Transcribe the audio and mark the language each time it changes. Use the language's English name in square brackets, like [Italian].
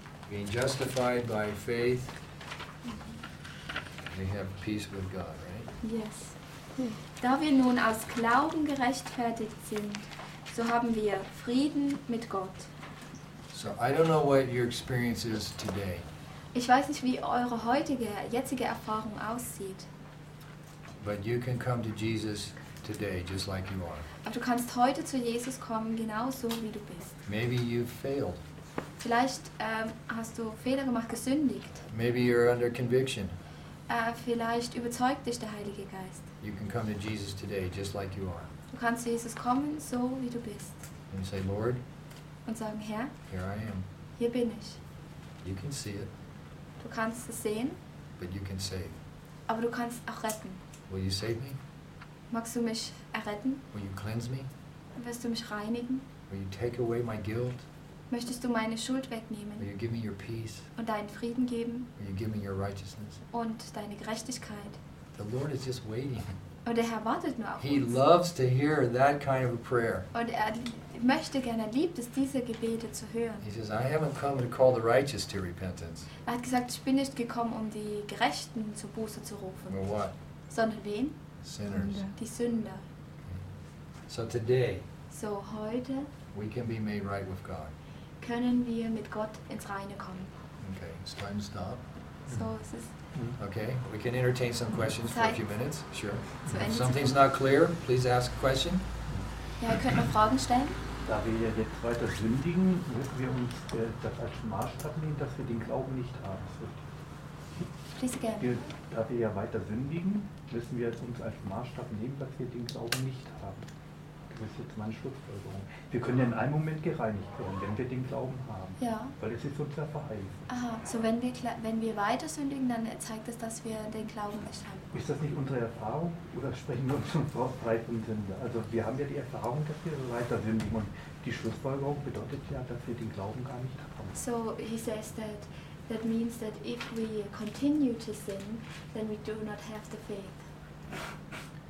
[English] Being justified by faith, we have peace with God, right? Yes. [German] Da wir nun aus Glauben gerechtfertigt sind, so haben wir Frieden mit Gott. [English] So I don't know what your experience is today. [German] Ich weiß nicht, wie eure heutige, jetzige Erfahrung aussieht. [English] But you can come to Jesus today, just like you are. [German] Aber du kannst heute zu Jesus kommen, genauso wie du bist. [English] Maybe you've failed. [German] Vielleicht hast du Fehler gemacht, gesündigt. [English] Maybe you're under conviction. [German] Vielleicht überzeugt dich der Heilige Geist. [English] You can come to Jesus today just like you are. [German] Du kannst zu Jesus kommen, so wie du bist. [English] And say, Lord. [German] Und sagen, Herr. [English] Here I am. [German] Hier bin ich. [English] You can see it. [German] Du kannst es sehen. [English] But you can save. [German] Aber du kannst auch retten. [English] Will you save me? [German] Magst du mich erretten? [English] Will you cleanse me? [German] Wirst du mich reinigen? [English] Will you take away my guilt? [German] Möchtest du meine Schuld wegnehmen? [English] Will you give me your peace? [German] Und deinen Frieden geben? [English] Will you give me your righteousness? [German] Und deine Gerechtigkeit? [English] The Lord is just waiting. [German] Und der Herr wartet nur auf uns. [English] He loves to hear that kind of a prayer. [German] Und er möchte gerne, liebt es, diese Gebete zu hören. [English] He says, I haven't come to call the righteous to repentance. [German] Er hat gesagt, ich bin nicht gekommen, um die Gerechten zur Buße zu rufen. [English] But what? [German] Sondern wen? [English] Sinners. [German] Die Sünder. [English] So today. [German] So heute. [English] We can be made right with God. [German] Können wir mit Gott ins Reine kommen. [English] Okay, it's time to stop. [German] So es ist. [English] Okay, we can entertain some questions [German] Zeit. [English] For a few minutes. Sure. If something's not clear, please ask a question. [German] Ja, ihr könnt noch Fragen stellen. Da wir jetzt weiter sündigen, müssen wir uns das als Maßstab nehmen, dass wir den Glauben nicht haben. [English] Please again. [German] Da wir ja weiter sündigen, müssen wir uns als Maßstab nehmen, dass wir den Glauben nicht haben. Das ist jetzt meine Schlussfolgerung. Wir können ja in einem Moment gereinigt werden, wenn wir den Glauben haben. Ja. Weil es ist unser Verheißen. Aha, so wenn wir weiter sündigen, dann zeigt es, dass wir den Glauben nicht haben. Ist das nicht unsere Erfahrung? Oder sprechen wir uns von frei von Sünde? Also wir haben ja die Erfahrung, dass wir weiter sündigen. Und die Schlussfolgerung bedeutet ja, dass wir den Glauben gar nicht haben. [English] So he says that means that if we continue to sin, then we do not have the faith.